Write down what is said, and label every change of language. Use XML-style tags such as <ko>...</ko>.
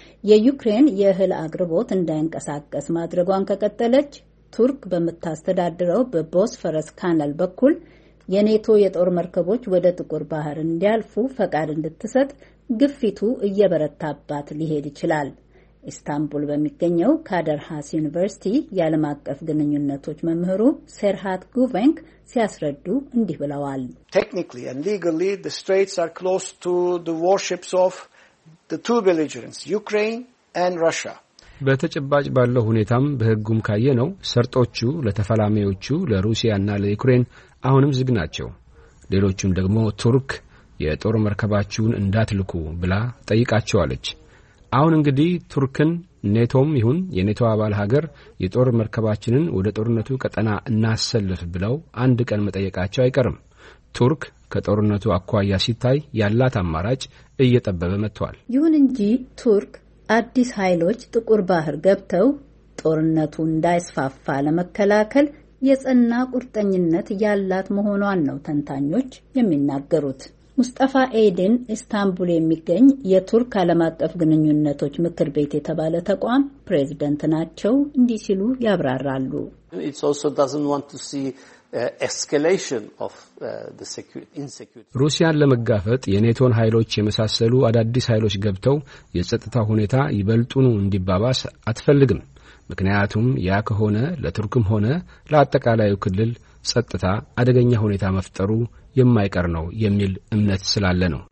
<am>የዩክሬን የእህል አቅርቦት እንዳይንቀሳቀስ ማድረጓን ከቀጠለች ቱርክ በምታስተዳድረው በቦስፈረስ ካናል በኩል የኔቶ የጦር መርከቦች ወደ ጥቁር ባህር እንዲያልፉ ፈቃድ እንድትሰጥ ግፊቱ እየበረታባት ሊሄድ ይችላል። ኢስታንቡል በሚገኘው ካደርሃስ ዩኒቨርሲቲ የዓለም አቀፍ ግንኙነቶች መምህሩ ሰርሃት ጉቬንክ ሲያስረዱ እንዲህ ብለዋል።</am> <en>Technically and legally the straits are close to the warships of the two belligerents, Ukraine and Russia.</en> <am>በተጨባጭ ባለው ሁኔታም በህጉም ካየ ነው ሰርጦቹ ለተፈላሚዎቹ ለሩሲያና ለዩክሬን አሁንም ዝግ ናቸው። ሌሎችም ደግሞ ቱርክ የጦር መርከባቸውን እንዳትልኩ ብላ ጠይቃቸዋለች። አሁን እንግዲህ ቱርክን ኔቶም ይሁን የኔቶ አባል ሀገር የጦር መርከባችንን ወደ ጦርነቱ ቀጠና እናሰልፍ ብለው አንድ ቀን መጠየቃቸው አይቀርም። ቱርክ ከጦርነቱ አኳያ ሲታይ ያላት አማራጭ እየጠበበ መጥቷል። ይሁን እንጂ ቱርክ አዲስ ኃይሎች ጥቁር ባህር ገብተው ጦርነቱ እንዳይስፋፋ ለመከላከል የጸና ቁርጠኝነት ያላት መሆኗን ነው ተንታኞች የሚናገሩት። ሙስጠፋ ኤዲን ኢስታንቡል የሚገኝ የቱርክ ዓለም አቀፍ ግንኙነቶች ምክር ቤት የተባለ ተቋም ፕሬዝዳንት ናቸው። እንዲህ ሲሉ ያብራራሉ።</am> <en>It also doesn't want to see escalation of the insecurity.</en> <am>ሩሲያን ለመጋፈጥ የኔቶን ኃይሎች የመሳሰሉ አዳዲስ ኃይሎች ገብተው የጸጥታ ሁኔታ ይበልጡን እንዲባባስ አትፈልግም። ምክንያቱም ያ ከሆነ ለቱርክም ሆነ ለአጠቃላይው ክልል ጸጥታ አደገኛ ሁኔታ መፍጠሩ የማይቀር ነው የሚል እምነት ስላለ ነው።</am>